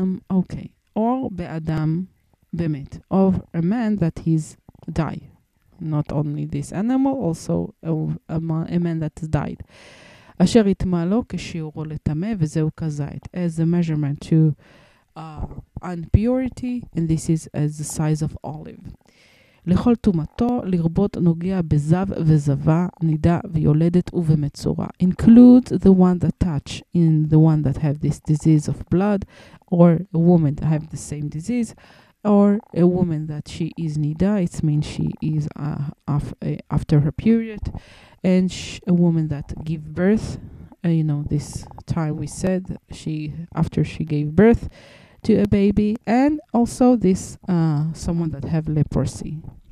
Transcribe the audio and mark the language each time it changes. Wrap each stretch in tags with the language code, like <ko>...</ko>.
<en>Okay.</en> <he>Or be'adam b'met,</he> <en>of a man that he's died. Not only this animal, also a man that has died.</en> <he>Asher itmalo k'shiuro letame v'zehu kazait,</he> <en>as a measurement to impurity, and this is as the size of olive.</en> <he>לכל תומתו לרבות נוגע בזב וזבה נידה ויולדת ובמצורה.</he> <en>Include the one that touch in the one that have this disease of blood, or a woman that have the same disease, or a woman that she is nida, it means she is after her period, and a woman that give birth, you know, this time we said she after she gave birth to a baby, and also this someone that have leprosy.</en>